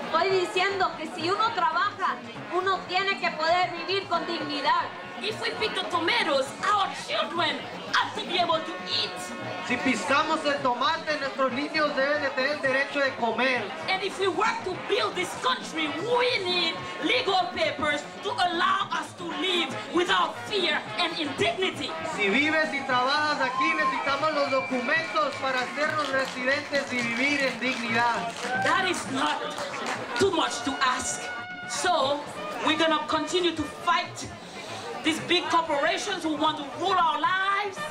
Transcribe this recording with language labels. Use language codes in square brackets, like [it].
[es] Estoy diciendo que si uno trabaja, uno tiene que poder vivir con dignidad. [en] If we pick the tomatoes, our children have to be able to eat. [es] Si pisamos el tomate, nuestros niños deben de tener el derecho de comer. [en] And if we work to build this country, we need legal papers to allow us to live without fear and indignity. [es] Si vives y trabajas aquí, necesitamos los documentos para hacernos residentes y vivir en dignidad. [en] That is not too much to ask. So, we're gonna continue to fight these big corporations who want to rule our lives.